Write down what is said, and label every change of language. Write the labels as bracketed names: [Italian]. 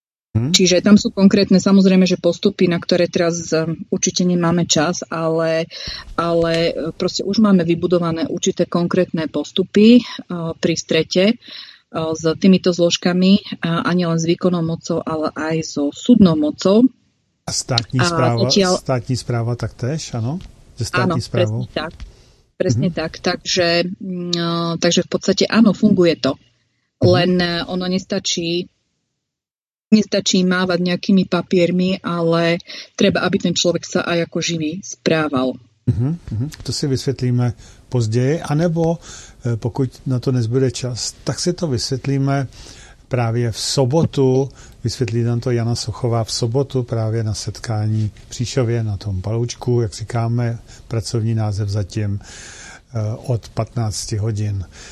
[Slovak] Čiže tam sú konkrétne, samozrejme, že postupy, na ktoré teraz určite nemáme čas, ale proste už máme vybudované určité konkrétne postupy pri strete s týmito zložkami, a nielen s výkonnou mocou, ale aj so súdnou mocou. [Czech] A státní správa, státní správa taktéž, áno? [Slovak] Áno, správou. Presne tak. Presne tak. Takže v podstate áno, funguje to. Len ono nestačí mávať nejakými papiermi, ale treba, aby ten človek sa aj ako živý správal. [Czech] To si vysvetlíme později, anebo pokud na to nezbude čas, tak si to vysvetlíme právě v sobotu, vysvětlí nám to Jana Sochová v sobotu právě na setkání v Příšově na tom Paloučku, jak říkáme, pracovní název zatím od 15 hodin.